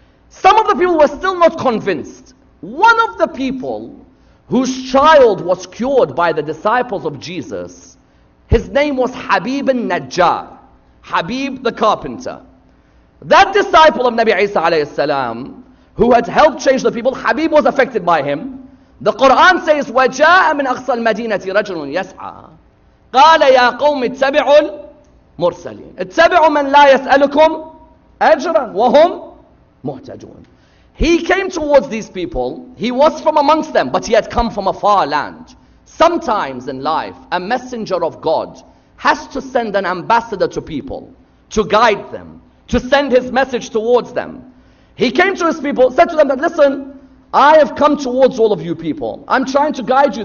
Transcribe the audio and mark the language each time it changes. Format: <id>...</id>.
<en>Some of the people were still not convinced. One of the people whose child was cured by the disciples of Jesus, his name was Habib al-Najjar, Habib the carpenter. That disciple of Nabi Isa alayhi salam, who had helped change the people, Habib was affected by him. The Quran says,</en> <ar>وَجَاءَ مِنْ أَقْصَى الْمَدِينَةِ رَجْلٌ يَسْعَى قَالَ يَا قَوْمِ اتَّبِعُوا الْمُرْسَلِينَ اتَّبِعُوا مَنْ لَا يَسْأَلُكُمْ أَجْرًا وَهُمْ مُهْتَدُونَ.</ar> <en>He came towards these people. He was from amongst them, but he had come from a far land. Sometimes in life, a messenger of God has to send an ambassador to people to guide them, to send his message towards them. He came to his people, said to them, that, listen, I have come towards all of you people. I'm trying to guide you.</en>